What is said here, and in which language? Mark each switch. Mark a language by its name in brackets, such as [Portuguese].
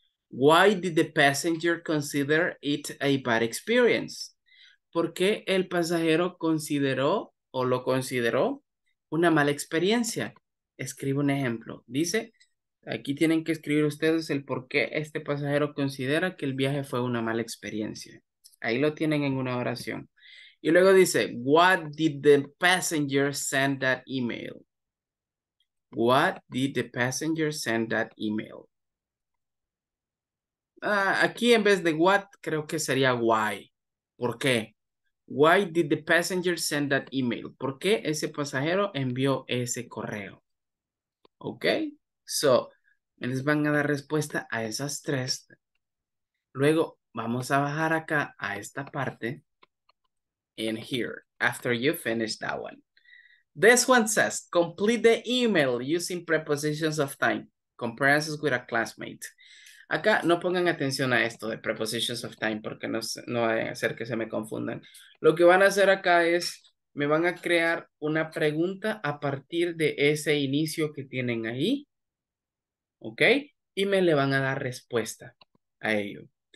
[English] Why did the passenger consider it a bad experience? [Spanish] ¿Por qué el pasajero consideró o lo consideró una mala experiencia? Escribo un ejemplo. Dice, aquí tienen que escribir ustedes el por qué este pasajero considera que el viaje fue una mala experiencia. Ahí lo tienen en una oración. Y luego dice, [English] what did the passenger send that email? What did the passenger send that email? [Spanish] Aquí en vez de what, creo que sería why. ¿Por qué? [English] Why did the passenger send that email? [Spanish] ¿Por qué ese pasajero envió ese correo? Ok, so, me les van a dar respuesta a esas tres. Luego, vamos a bajar acá a esta parte. [English] In here, after you finish that one. This one says, complete the email using prepositions of time. Comparisons with a classmate. [Spanish] Acá, no pongan atención a esto de [English] prepositions of time [Spanish] porque no vayan a hacer que se me confundan. Lo que van a hacer acá es, me van a crear una pregunta a partir de ese inicio que tienen ahí. ¿Ok? Y me le van a dar respuesta a ello.